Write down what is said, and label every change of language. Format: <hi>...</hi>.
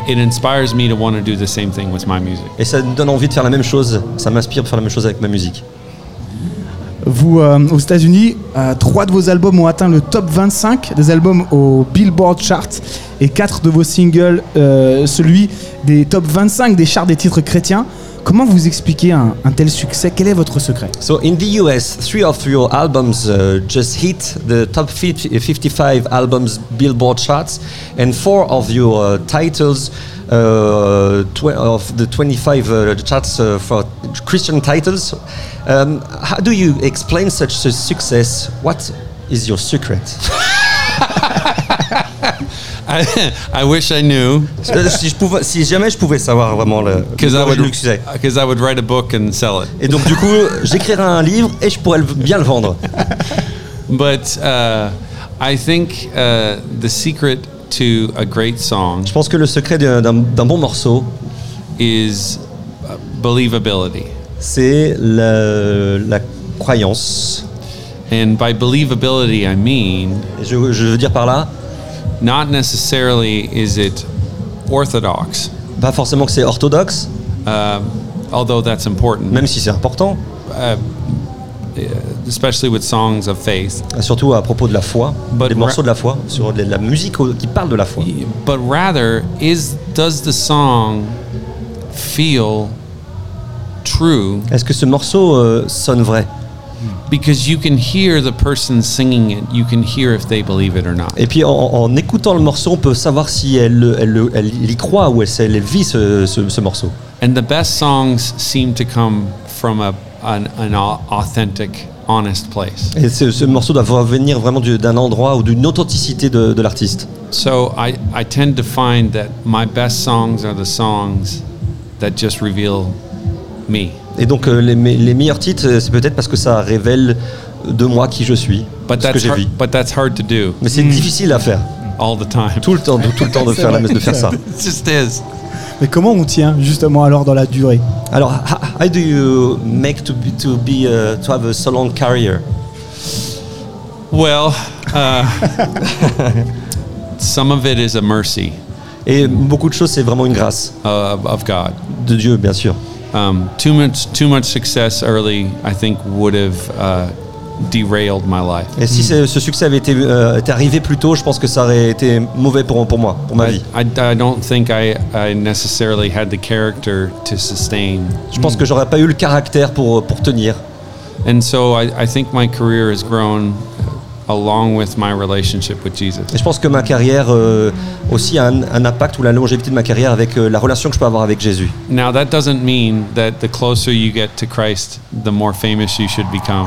<en>It inspires me to want to do the same thing with my music.</en> <fr>Et ça me donne envie de faire la même chose. Ça m'inspire de faire la même chose avec ma musique. Vous, aux États-Unis, trois de vos albums ont atteint le top 25 des albums au Billboard chart et quatre de vos singles, celui des top 25 des charts des titres chrétiens. Comment vous expliquez un tel succès? Quel est votre secret?</fr> <en>So in the US, three of your albums just hit the top 55 albums Billboard charts and four of your titles of the 25 charts for Christian titles. How do you explain such a success? What is your secret? I wish I knew.</en> <fr>Si jamais je pouvais savoir vraiment le succès.</fr> <en>Because I would write a book and sell it.</en> <fr>Et donc du coup, j'écrirais un livre et je pourrais bien le vendre.</fr> <en>But I think the secret to a great song.</en> <fr>Je pense que le secret d'un bon morceau</fr> <en>is believability.</en> <fr>C'est la croyance.</fr> <en>And by believability, I mean.</en> <fr>Je veux dire par là.</fr> <en>Not necessarily is it orthodox.</en> <fr>Pas forcément que c'est orthodoxe.</fr> <en>Although that's important.</en> <fr>Même si c'est important.</fr> <en>Especially with songs of faith.</en> <fr>Surtout à propos de la foi. But des morceaux de la foi, sur la musique qui parle de la foi.</fr> <en>But rather, does the song feel true?</en> <fr>Est-ce que ce morceau sonne vrai?</fr> <en>Because you can hear the person singing it, you can hear if they believe it or not.</en> <fr>Et puis en écoutant le morceau, on peut savoir si elle y croit ou elle vit ce morceau.</fr> <en>And the best songs seem to come from an authentic, honest place.</en> <fr>Et ce morceau doit venir vraiment d'un endroit ou d'une authenticité de l'artiste.</fr> <en>So I tend to find that my best songs are the songs that just reveal me.</en> <fr>Et donc les meilleurs titres, c'est peut-être parce que ça révèle de moi qui je suis, ce que j'ai vu.</fr> <en>But that's hard to do.</en> <fr>Mais c'est difficile à faire.</fr> <en>All the time.</en> <fr>Tout le temps de faire ça.</fr> <en>It just is.</en> <fr>Mais comment on tient justement alors dans la durée?</fr> <en>Alors, how do you make to have a so long career? Well, some of it is a mercy.</en> <fr>Et beaucoup de choses, c'est vraiment une grâce.</fr> <en>Of God.</en> <fr>De Dieu, bien sûr.</fr> <en>Too much success early, I think, would have derailed my life.</en> <fr>Et si ce succès avait été arrivé plus tôt, je pense que ça aurait été mauvais pour moi, pour ma vie.</fr> <en>I don't think I necessarily had the character to sustain.</en> <fr>Je pense que j'aurais pas eu le caractère pour tenir.</fr> <en>And so I think my career has grown along with my relationship with Jesus.</en> <fr>Et je pense que ma carrière aussi a un impact ou la longévité de ma carrière avec la relation que je peux avoir avec Jésus.</fr> <en>Now that doesn't mean that the closer you get to Christ, the more famous you should become.</en>